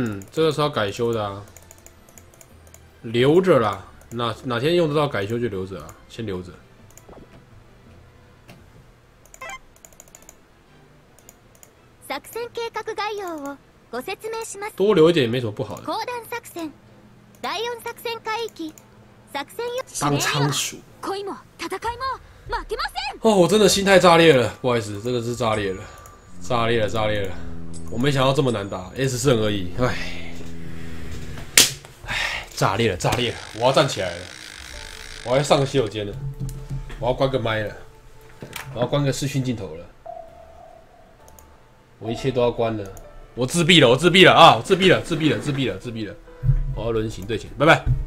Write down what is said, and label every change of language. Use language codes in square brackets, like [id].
[zh] 这个是要改修的啊，留着啦，哪天用得到改修就留着啊，先留着。 [ja] 作戦計画概要をご説明します。 [zh] 多留一点也没什么不好的。 [ja] 高弾作戦、第四作戦海域、作戦用。 [zh] 当仓鼠。 [ja] 恋も戦いも負けません。 [zh] 哦，我真的心态炸裂了，不好意思，真的是炸裂了，炸裂了，炸裂了。我没想到这么难打 ，S 胜而已，哎，炸裂了，炸裂了！我要站起来了，我要上个洗手间了，我要关个麦了，我要关个视讯镜头了，我一切都要关了，我自闭了，我自闭了啊，自闭了，自闭了，自闭了，自闭了，我要轮型对型，拜拜。